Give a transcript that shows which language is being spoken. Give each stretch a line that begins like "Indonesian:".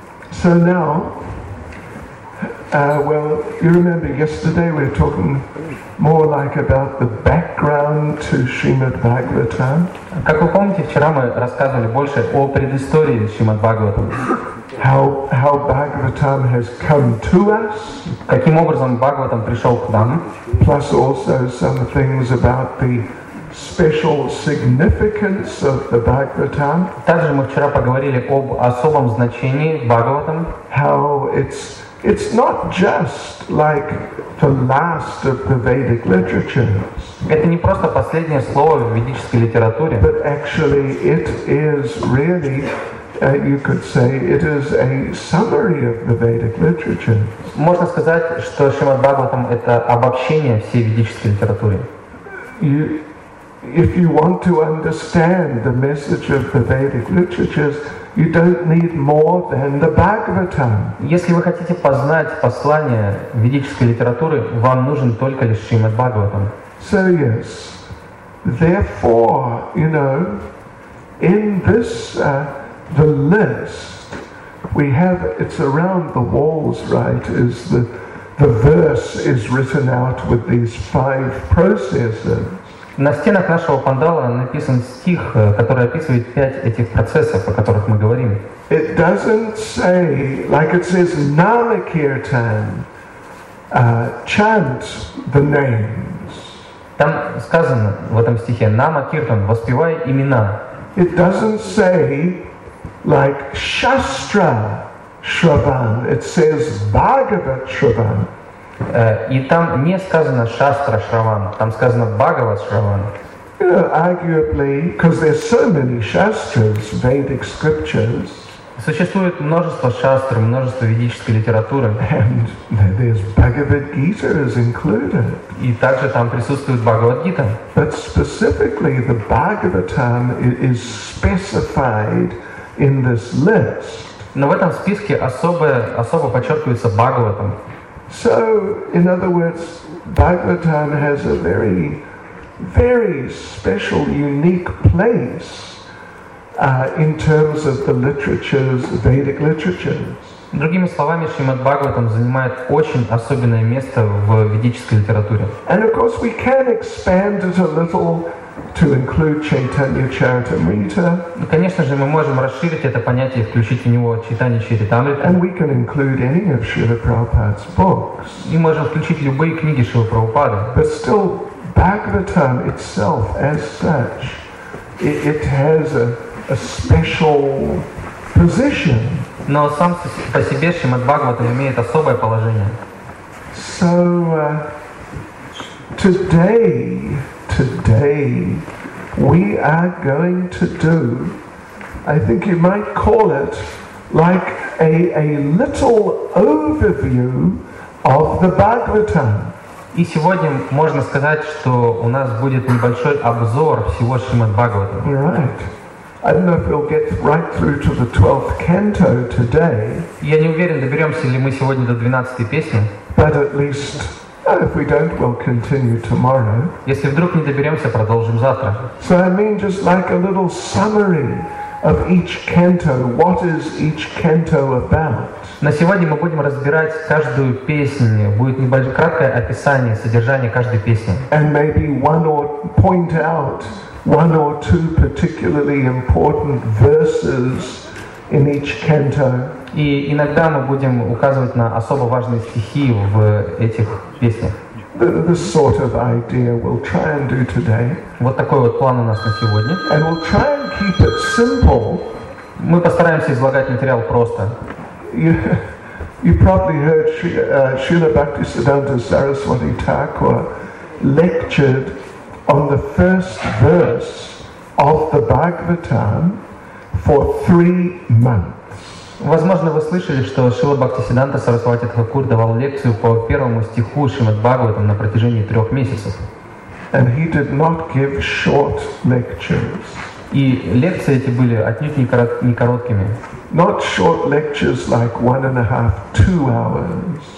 English: So now, you remember yesterday we were talking more like about the background to Srimad Bhagavatam.
Russian: Как вы помните, вчера мы рассказывали больше о предыстории Шримад Бхагаватам.
English: How Bhagavatam has come to us.
Russian: Каким образом Бхагаватам пришел к нам.
English: Plus also some things about the special significance of the Bhagavatam.
Russian: Также мы вчера поговорили об особом значении Бхагаватам.
English: How it's not just like the last of the Vedic literatures.
Russian: Это не просто последнее слово в ведической литературе.
English: But actually it is really, you could say, it is a summary of the Vedic literature.
Russian: Можно сказать, что Шримад Бхагаватам это обобщение всей ведической литературы.
English: If you want to understand the message of the Vedic literatures, you don't need more than the Bhagavatam.
Russian: Если вы хотите познать послание ведической литературы, вам нужен только лишь Шримад Бхагаватам.
English: So yes. Therefore, you know, in this the list we have, it's around the walls, right? Is the verse is written out with these five processes.
Russian: На стенах нашего пандала написан стих, который описывает пять этих процессов, о которых мы говорим.
English: It doesn't say, like it says, Namakirtan, chant the names.
Russian: Там сказано в этом стихе, Namakirtan, воспевай имена.
English: It doesn't say, like Shastra Shravan, it says Bhagavat Shravan.
Russian: И там не сказано Шастра Шраван, там сказано Бхагават Шраван.
English: You know, arguably, because there's so many shastras, Vedic scriptures.
Russian: Существует множество шастр, множество ведической литературы.
English: And there's Bhagavad Gita is included.
Russian: И также там присутствует Бхагавад Гита.
English: But specifically, the Bhagavatam is specified in this list.
Russian: Но в этом списке особо подчеркивается Бхагаватам.
English: So, in other words, Bhagavatam has a very, very special, unique place in terms of the literatures, Vedic literatures.
Russian: Другими словами, Шримад Бхагаватам занимает очень особенное место в ведической литературе.
English: And of course, we can expand it a little to include Chaitanya Charitamrita.
Russian: Конечно же, мы можем расширить это понятие, включить в него Чайтанья Чаритамриту.
English: And we can include any of Śrīla Prabhupāda's books.
Russian: И можем включить любые книги Śrīla Prabhupāda.
English: But still, Bhagavatam itself, as such, it has a special position.
Russian: Но сам по себе Шримад Бхагаватам имеет особое положение.
English: So today we are going to do, I think you might call it, like a little overview of the Bhagavatam.
Russian: И сегодня можно сказать, что у нас будет небольшой обзор всего Шримад Бхагаватам.
English: Right. I don't know if we'll get right through to the 12th canto today.
Russian: Я не уверен, доберемся ли мы сегодня до 12-й песни.
English: But at least, if we don't, we'll continue tomorrow.
Russian: Если вдруг не доберемся, продолжим завтра.
English: So I mean just like a little summary of each canto, what is each canto about?
Russian: На сегодня мы будем разбирать каждую песню. Будет небольшое краткое описание, содержание каждой песни.
English: And maybe one or point out one or two particularly important verses in each canto.
Russian: И иногда мы будем указывать на особо важные стихи в этих песнях.
English: this sort of idea we'll try and do today.
Russian: Вот такой вот план у нас на сегодня.
English: And we'll try and keep it simple.
Russian: Мы постараемся излагать материал просто.
English: You probably heard Srila Bhaktisiddhanta Saraswati Thakur lectured on the first verse of the Bhagavatam for 3 months.
Russian: Возможно, вы слышали, что Шрила Бхактисиддханта Сарасвати Тхакур давал лекцию по первому стиху Шримад Бхагаватам на протяжении 3 месяцев.
English: And he did not give short lectures.
Russian: И лекции эти были отнюдь не короткими.
English: Not short lectures like 1.5-2 hours.